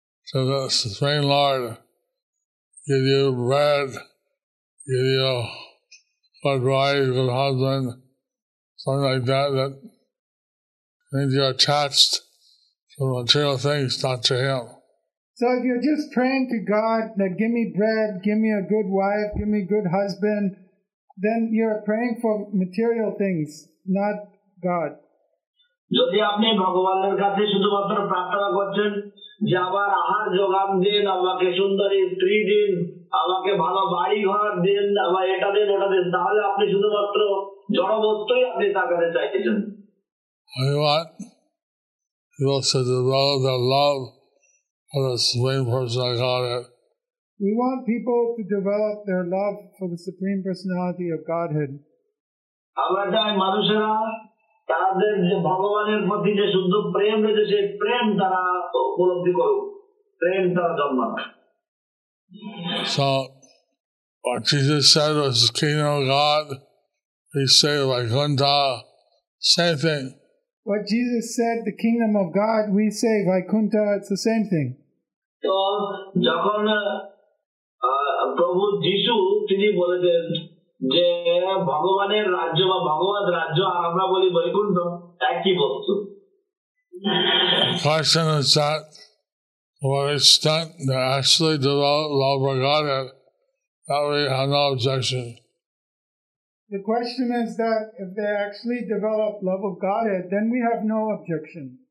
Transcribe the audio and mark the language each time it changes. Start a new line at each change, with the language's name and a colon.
English: So the Supreme Lord give you bread, give you good wife, good husband, something like that, that means you're attached to material things, not to Him. So if you're just praying to God, that give me bread, give me a good wife, give me a good husband, then you're praying for material things, not God.
Bangla: যদি আপনি ভগবানের কাছে শুধুমাত্র প্রার্থনা করছেন যে আমার আহার যোগান দিন, আমাকে সুন্দরী স্ত্রী দিন, আমাকে ভালো বাড়ি ঘর দিন, আমার এটা দিন ওটা দিন, তাহলে আপনি শুধুমাত্র জড়বস্তুই আপনি তাকাতে চাইছেন।
English: I want you also to develop the love for the Supreme Personality of Godhead. We want people to develop their love for the Supreme Personality of Godhead.
Bangla: আমরা চাই মানুষেরা তাদের যে ভগবানের প্রতি যে শুদ্ধ প্রেম রয়েছে সেই প্রেম তারা উপলব্ধি করুক, প্রেম তারা জন্মাক।
English: So what Jesus said was the kingdom of God, he said Vaikuntha, same thing. What Jesus said, the kingdom of God, we say Vaikuntha, it's the same thing.
Bangla: So যখন প্রভু যীশু তিনি বলেছেন যে ভগবানের রাজ্য বা ভগবান রাজ্য আর আমরা বলি বৈকুণ্ঠ একই বস্তু।
English: Question is that what extent to actually develop love for Godhead, that we have no objection. The question is that if they actually develop love of Godhead, then we have no objection.